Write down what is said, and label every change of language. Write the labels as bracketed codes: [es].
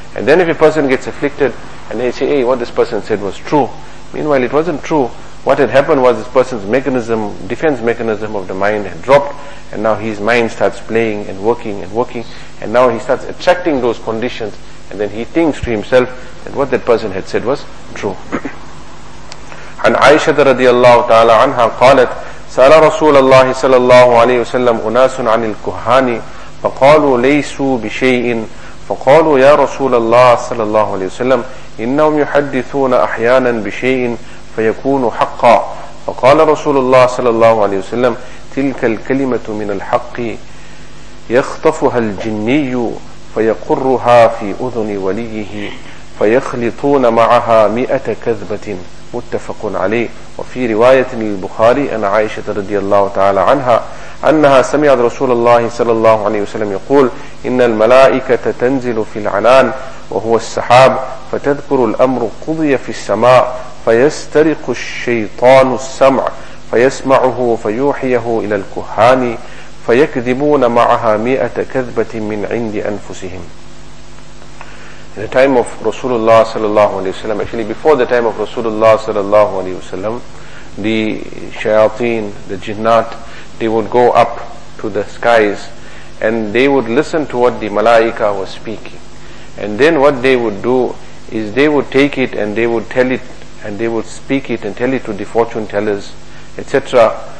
[en] And then if a person gets afflicted, and they say, hey, what this person said was true. Meanwhile, it wasn't true. What had happened was this person's defense mechanism of the mind had dropped, and now his mind starts playing and working and working, and now he starts attracting those conditions, and then he thinks to himself that what that person had said was true. [ar] عن عائشة رضي الله تعالى عنها قالت سأل رسول الله صلى الله عليه وسلم أناس عن الكهان فقالوا ليسوا بشيء فقالوا يا رسول الله صلى الله عليه وسلم إنهم يحدثون أحيانا بشيء فيكون حقا فقال رسول الله صلى الله عليه وسلم تلك الكلمة من الحق يخطفها الجني فيقرها في أذن وليه فيخلطون معها مئة كذبة متفق عليه وفي رواية للبخاري أن عائشة رضي الله تعالى عنها أنها سمعت رسول الله صلى الله عليه وسلم يقول إن الملائكة تنزل في العنان وهو السحاب فتذكر الأمر قضي في السماء فيسترق الشيطان السمع فيسمعه فيوحيه إلى الكهان فيكذبون معها مئة كذبة من عند أنفسهم. [en] In the time of Rasulullah sallallahu alayhi wa sallam, actually before the time of Rasulullah sallallahu alayhi wa sallam, the shayateen, the jinnat, they would go up to the skies and they would listen to what the malaika was speaking. And then what they would do is they would take it and they would tell it and they would speak it and tell it to the fortune tellers, etc.